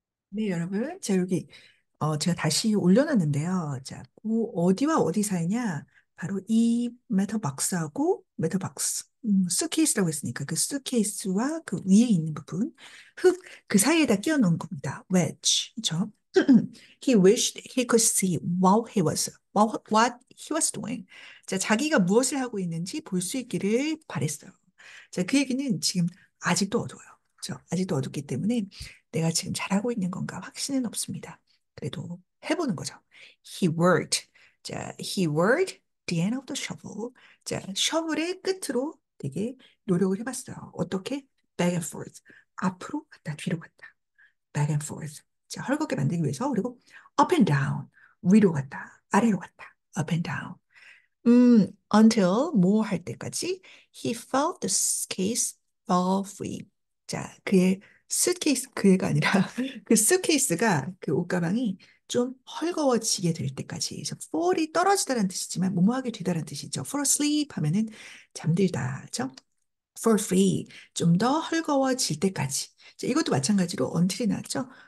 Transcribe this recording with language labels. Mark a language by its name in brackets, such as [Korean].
[Korean] 네, 여러분. 자, 여기. 제가 다시 올려놨는데요. 자, 어디와 어디 사이냐? 바로 이 메탈 박스하고 메탈 박스, 수트케이스라고 했으니까 그 수트케이스와 그 위에 있는 부분, 흙, 그 사이에다 끼워 놓은 겁니다. wedge, 그렇죠? [English] He wished he could see what he was doing. [Korean] 자, 자기가 무엇을 하고 있는지 볼수 있기를 바랬어요. 자, 그 얘기는 지금 아직도 어두워요. 그렇죠? 아직도 어둡기 때문에 내가 지금 잘하고 있는 건가 확신은 없습니다. 그래도 해보는 거죠. [English] He worked. 자, he worked the end of the shovel. [Korean] 자, 셔블의 끝으로 되게 노력을 해봤어요. 어떻게? [English] Back and forth. [Korean] 앞으로 갔다 뒤로 갔다. [English] Back and forth. [Korean] 자, 헐겁게 만들기 위해서 그리고 [English] up and down. [Korean] 위로 갔다. 아래로 갔다. [English] up and down. Until [Korean] 뭐할 때까지 [English] he felt the suitcase fall free. [Korean] 자, 그의 수트케이스, 그 애가 아니라, 그 수트케이스가, 그 옷가방이 좀 헐거워지게 될 때까지. 그래서 fall이 떨어지다라는 뜻이지만, 무모하게 되다라는 뜻이죠. [English] fall asleep [Korean] 하면은 잠들다. 그렇죠? [English] fall free. [Korean] 좀더 헐거워질 때까지. 자, 이것도 마찬가지로 until이 나왔죠.